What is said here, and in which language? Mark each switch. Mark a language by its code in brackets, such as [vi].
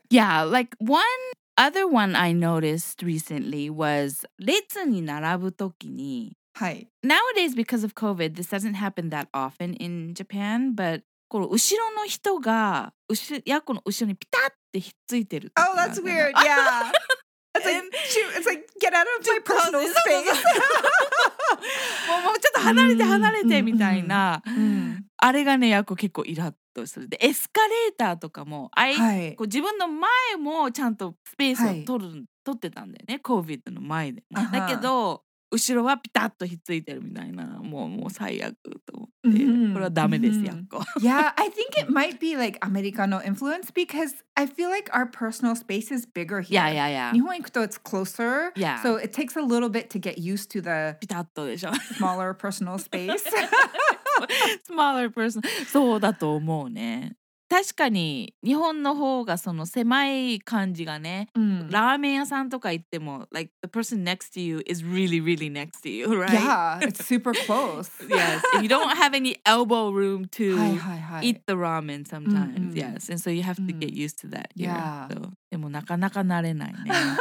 [en] Yeah, like one other one I noticed recently was [ja] 列に並ぶときに、はい。 [en] Nowadays, because of COVID, this doesn't happen that often in Japan, but [ja] この後ろの人が、ヤコの後ろにピタってひっついてる。 [en] Oh, that's weird, yeah. It's like, shoot, it's like, get out of my personal space. [ja] もうちょっと離れて離れてみたいな。あれがね、やっぱ結構イラッとする。で、エスカレーターとかも、こう自分の前もちゃんとスペースを取ってたんだよね、COVIDの前で。だけど、後ろはピタッとひっついてるみたいな。もう最悪と思って。これはダメです、やっこ。 [en] Yeah, I think it might be like Americano influence because I feel like our personal space is bigger here. Yeah, yeah, yeah. [ja] 日本行くと [en] it's closer. Yeah. So it takes a little bit to get used to the [ja] ピタッとでしょ。 [en] smaller personal space. smaller personal. [ja] そうだと思うね。確かに日本の方がその狭い感じがね、うん、ラーメン屋さんとか行っても [en] like the person next to you is really really next to you right? Yeah, it's super close. Yes, and you don't have any elbow room to eat the ramen sometimes. Mm-hmm. Yes, and so you have to get used to that. Yeah. [ja] So, でもなかなか慣れないね。